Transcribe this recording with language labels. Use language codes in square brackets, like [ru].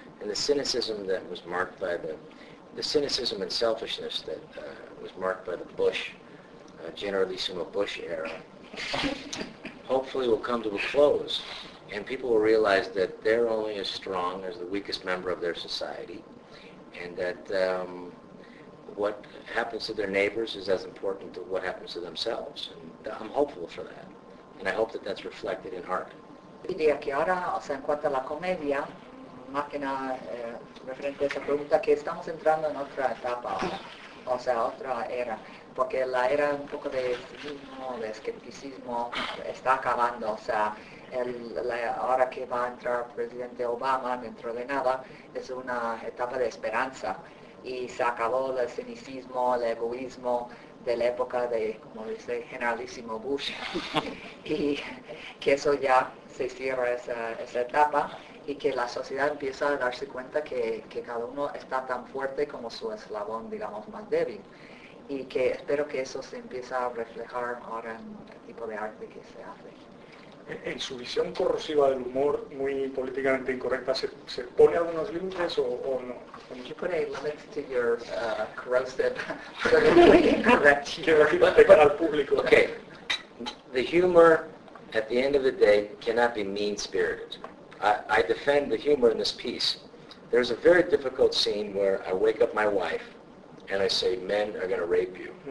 [en] And the cynicism that was marked by the cynicism and selfishness that was marked by the Bush, Generalissimo Bush era, hopefully will come to a close. And people will realize that they're only as strong as the weakest member of their society, and that what happens to their neighbors is as important to what happens to themselves. And I'm hopeful for that. And I hope that that's reflected in art. [es] Y de aquí ahora, o sea, en cuanto a la comedia, más que nada, referente a esa pregunta, que estamos entrando en otra etapa, o sea, otra era. Porque la era un poco de cinismo, de escepticismo, está acabando, o sea, ahora que va a entrar presidente Obama, dentro de nada, es una etapa de esperanza. Y se acabó el cinicismo, el egoísmo de la época de, como dice, Generalísimo Bush. Y que eso ya se cierra esa etapa y que la sociedad empieza a darse cuenta que cada uno está tan fuerte como su eslabón, digamos, más débil. Y que espero que eso se empiece a reflejar ahora en el tipo de arte que se hace. En su visión corrosiva del humor, muy políticamente incorrecta, ¿se pone algunos límites o no? [en] You put a limit to your corrosive, incorrect humor. Okay, the humor at the end of the day cannot be mean-spirited. I defend the humor in this piece. There's a very difficult scene where I wake up my wife and I say, men are going to rape you.